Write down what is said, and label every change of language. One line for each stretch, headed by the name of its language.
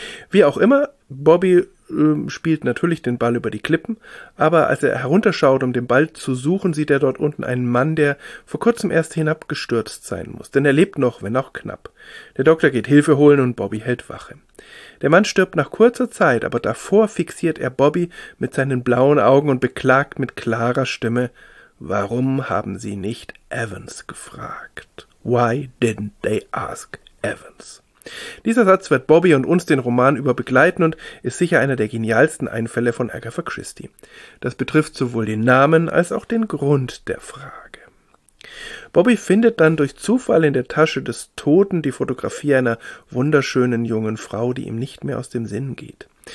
German: Wie auch immer, Bobby spielt natürlich den Ball über die Klippen, aber als er herunterschaut, um den Ball zu suchen, sieht er dort unten einen Mann, der vor kurzem erst hinabgestürzt sein muss, denn er lebt noch, wenn auch knapp. Der Doktor geht Hilfe holen und Bobby hält Wache. Der Mann stirbt nach kurzer Zeit, aber davor fixiert er Bobby mit seinen blauen Augen und beklagt mit klarer Stimme: Warum haben Sie nicht Evans gefragt?
English: Why didn't they ask Evans?
German: Dieser Satz wird Bobby und uns den Roman über begleiten und ist sicher einer der genialsten Einfälle von Agatha Christie. Das betrifft sowohl den Namen als auch den Grund der Frage. Bobby findet dann durch Zufall in der Tasche des Toten die Fotografie einer wunderschönen jungen Frau, die ihm nicht mehr aus dem Sinn geht.